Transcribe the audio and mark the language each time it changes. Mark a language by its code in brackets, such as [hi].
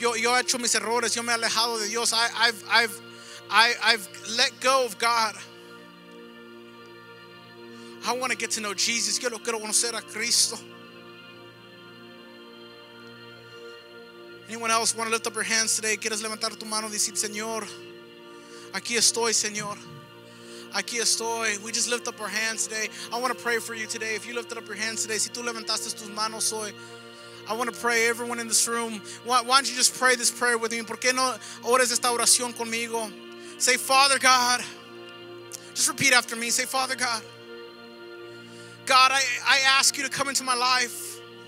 [es] Yo he hecho mis errores. Yo me he alejado de Dios. [en] I've let go of God. I want to get to know Jesus. [es] Quiero conocer a Cristo. [en] Anyone else want to lift up your hands today? [es] ¿Quieres levantar tu mano y decir, Señor, aquí estoy, Señor. Aquí estoy. [en] We just lift up our hands today. I want to pray for you today. If you lifted up your hands today, [es] si tú levantaste tus manos hoy, [en] I want to pray, everyone in this room, why don't you just pray this prayer with me? [es] ¿Por qué no ores esta oración conmigo? [en] Say, Father God, just repeat after me. Say, Father God, God, I ask you to come into my life.